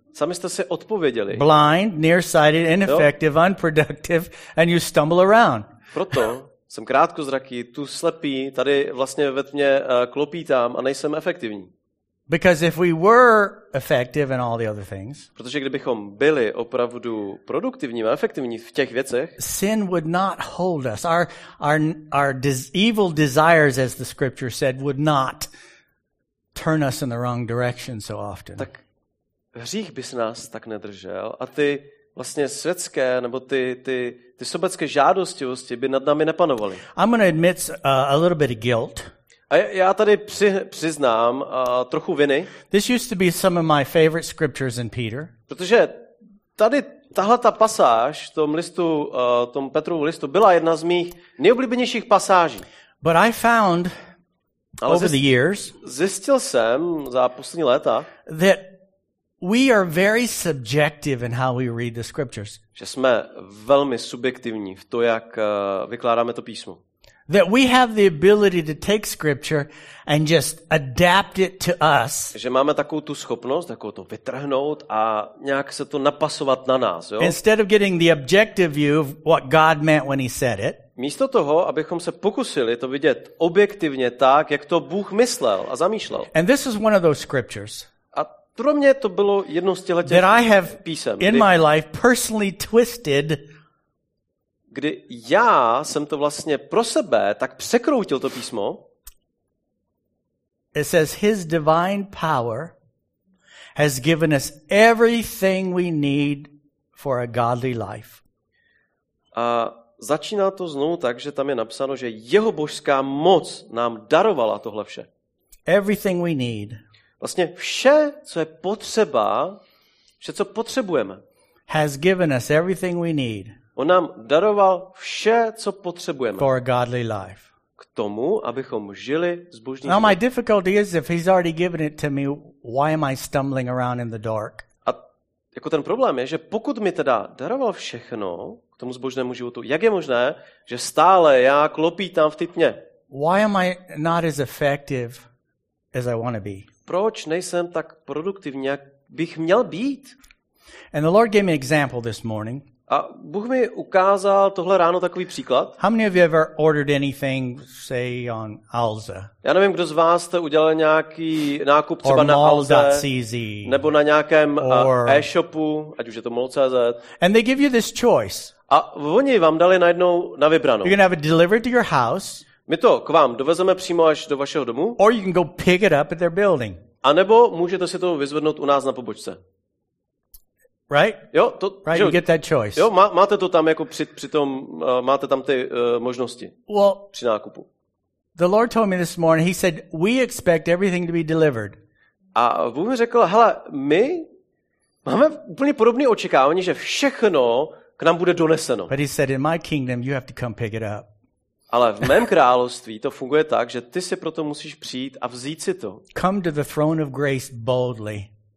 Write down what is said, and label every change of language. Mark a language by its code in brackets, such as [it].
[cs] Sami jste si odpověděli. [en] Blind, nearsighted, ineffective, unproductive, and you stumble around. [cs] Proto jsem krátkozraký, tu slepý, tady vlastně ve tmě klopítám a nejsem efektivní. [en] Because if we were effective in all the other things, [cs] protože kdybychom byli opravdu produktivní a efektivní v těch věcech, [en] sin would not hold us. Our evil desires, as the scripture said, would not turn us in the wrong direction so often. [cs] Tak hřích bys nás tak nedržel a ty vlastně světské nebo ty sobecké žádostivosti by nad námi nepanovaly. [en] I'm going to admit a little bit of guilt. [cs] A já tady přiznám trochu viny. [en] This used to be some of my favorite scriptures in Peter. [cs] Protože tady tahle ta pasáž v tom listu, tom Petrovu listu byla jedna z mých nejoblíbenějších pasáží. [en] But I found over the years. [cs] Zjistil jsem za poslední léta, [en] that we are very subjective in how we read the scriptures. [cs] Že jsme velmi subjektivní v to, jak vykládáme to písmo. [en] That we have the ability to take scripture and just adapt it to us. [cs] Že máme takovou tu schopnost, jako to vytrhnout a nějak se to napasovat na nás, jo? [en] Instead of getting the objective view of what God meant when he said it. [cs] Místo toho, abychom se pokusili to vidět objektivně tak, jak to Bůh myslel a zamýšlel. [en] And this is one of those scriptures. [cs] A pro mě to bylo jedno z těchto písem. [en] That I have in my life personally twisted. Kdy já jsem to vlastně pro sebe tak překroutil to písmo. It says his divine power has given us everything we need for a godly life. [cs] A začíná to znovu tak, že tam je napsáno, že jeho božská moc nám darovala tohle vše. [en] Everything we need. [cs] Vlastně vše, co je potřeba, vše, co potřebujeme. [en] Has given us everything we need. [cs] On nám daroval vše, co potřebujeme. [en] For a godly life. [cs] K tomu, abychom žili zbožný život. [en] Now my difficulty is if he's already given it to me, why am I stumbling around in the dark? [cs] A jako ten problém je, že pokud mi teda daroval všechno k tomu zbožnému životu, jak je možné, že stále já klopítám v tmě? [en] Why am I not as effective as I want to be? [cs] Proč nejsem tak produktivní, jak bych měl být? [en] And the Lord gave me an example this morning. [cs] A Bůh mi ukázal tohle ráno takový příklad. [en] How many of you ever ordered anything, say, on Alza? [cs] Já nevím, kdo z vás jste udělal nějaký nákup třeba na Alze, nebo na nějakém e-shopu, ať už je to mall.cz. [en] And they give you this choice. [cs] A oni vám dali najednou na vybranou. [en] You can have it delivered to your house. [cs] My to k vám dovezeme přímo až do vašeho domu. [en] Or you can go pick it up at their building. [cs] A nebo můžete si to vyzvednout u nás na pobočce. [en] Right? [cs] Jo, to, [en] right, [cs] že, [en] you get that choice. [cs] Jo, máte to tam jako při tom, máte tam ty možnosti. [en] Well, [cs] při nákupu. [en] The Lord told me this morning, he said, we expect everything to be delivered. [cs] A Bůh mi řekl, hele, my máme úplně podobné očekávání, že všechno k nám bude doneseno. [en] But he said, in my kingdom, you have to come pick it up. [cs] Ale v mém království to funguje tak, že ty si proto musíš přijít a vzít si to. [en] Come to the throne of grace boldly.